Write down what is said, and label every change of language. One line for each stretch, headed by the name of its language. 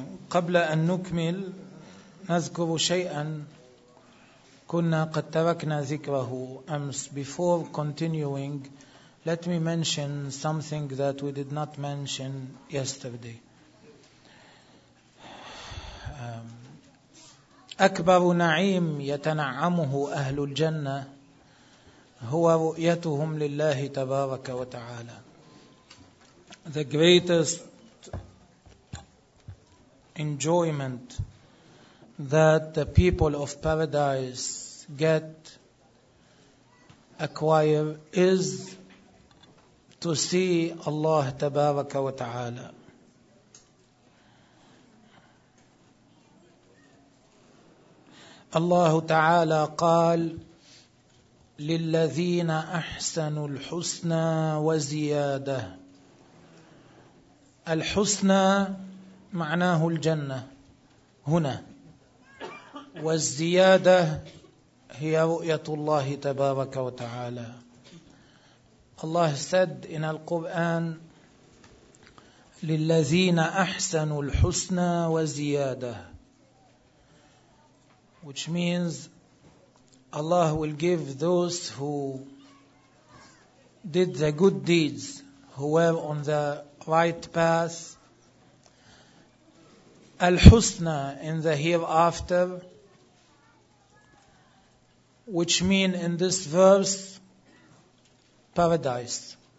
Arabic: قبل أن نكمل نذكر شيئا كنا قد تركنا ذكره أمس.
English: Before continuing, let me mention something that we did not mention yesterday.
Arabic: أكبر نعيم يتنعمه أهل الجنة هو رؤيتهم لله تبارك وتعالى.
English: The greatest enjoyment that the people of paradise get, acquire, is to see Allah
Arabic: تبارك وتعالى. الله تعالى قال للذين أحسنوا الحسنى وزيادة. الحسنى معناه الجنة هنا، والزيادة هي رؤية الله تبارك وتعالى. الله
English: said in the Quran
Arabic: للذين أحسنوا الحسنى وزيادة،
English: which means Allah will give those who did the good deeds, who were on the right path, al-husna in the hereafter, which mean in this verse paradise.